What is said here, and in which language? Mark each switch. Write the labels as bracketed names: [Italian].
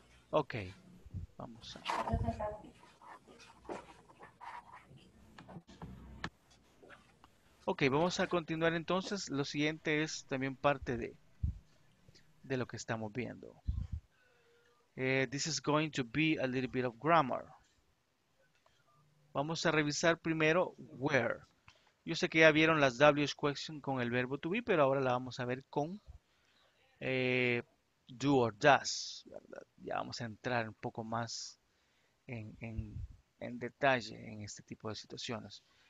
[Spanish] Okay. Vamos a ver. Ok, vamos a continuar entonces. Lo siguiente es también parte de lo que estamos viendo. [English] This is going to be a little bit of grammar. [Spanish] Vamos a revisar primero where. Yo sé que ya vieron las W's question con el verbo to be, pero ahora la vamos a ver con do or does. Ya vamos a entrar un poco más en detalle en este tipo de situaciones.